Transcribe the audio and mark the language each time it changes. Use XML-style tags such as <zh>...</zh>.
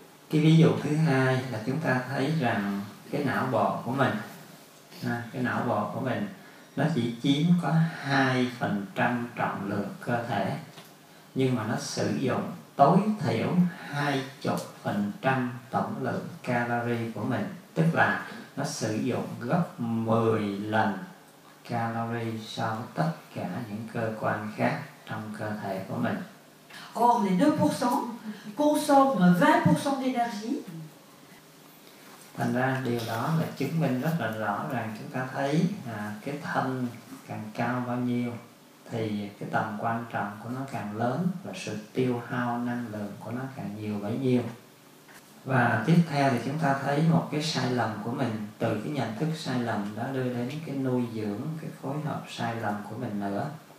<vi>Cái ví dụ thứ hai là chúng ta thấy rằng cái não bộ của mình, cái não bộ của mình nó chỉ chiếm có 2% trọng lượng cơ thể, nhưng mà nó sử dụng tối thiểu 20% tổng lượng calorie của mình. Tức là nó sử dụng gấp 10 lần calorie so với tất cả những cơ quan khác trong cơ thể của mình.</vi> <fr>Or les 2% consomment 20% d'énergie.</fr> <vi>Thành ra điều đó là chứng minh rất là rõ rằng chúng ta thấy cái thân càng cao bao nhiêu thì cái tầm quan trọng của nó càng lớn và sự tiêu hao năng lượng của nó càng nhiều bấy nhiêu. Và tiếp theo thì chúng ta thấy một cái sai lầm của mình, từ cái nhận thức sai lầm đó đưa đến cái nuôi dưỡng, cái phối hợp sai lầm của mình nữa.</vi>